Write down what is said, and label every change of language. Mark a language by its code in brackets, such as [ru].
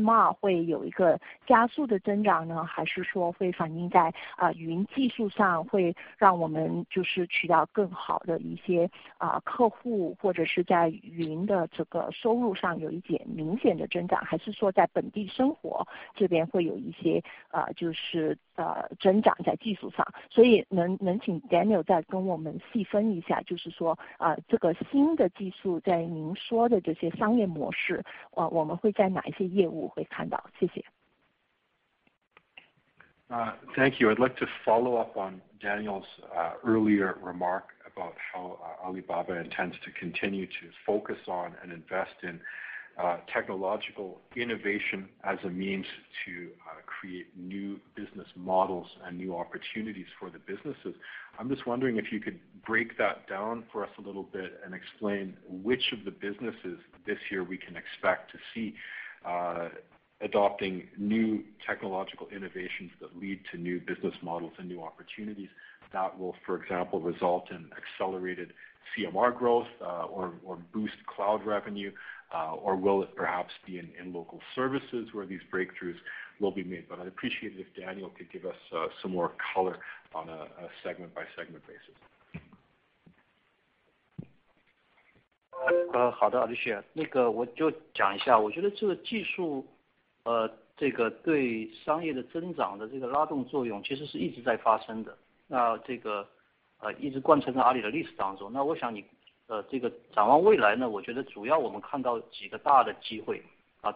[zh] AMR 会有一个加速的增长呢，还是说会反映在云技术上，会让我们就是取到更好的一些客户，或者是在云的这个收入上有一点明显的增长，还是说在本地生活这边会有一些就是增长在技术上？所以能请 Daniel 再跟我们细分一下，就是说这个新的技术在您说的这些商业模式，我们会在哪一些业务会看到？谢谢。 [en] Thank you. I'd like to follow up on Daniel's earlier remark about how Alibaba intends to continue to focus on and invest in technological innovation as a means to create new business models and new opportunities for the businesses. I'm just wondering if you could break that down for us a little bit and explain which of the businesses this year we can expect to see adopting new technological innovations that lead to new business models and new opportunities that will, for example, result in accelerated CMR growth or boost cloud revenue, or will it perhaps be in local services where these breakthroughs will be made? But I'd appreciate it if Daniel could give us some more color on a segment-by-segment basis. [zh] 好的，阿律师，那个我就讲一下，我觉得这个技术，这个对商业的增长的这个拉动作用，其实是一直在发生的。那这个一直贯穿在阿里的历史当中。那我想你这个展望未来呢，我觉得主要我们看到几个大的机会啊。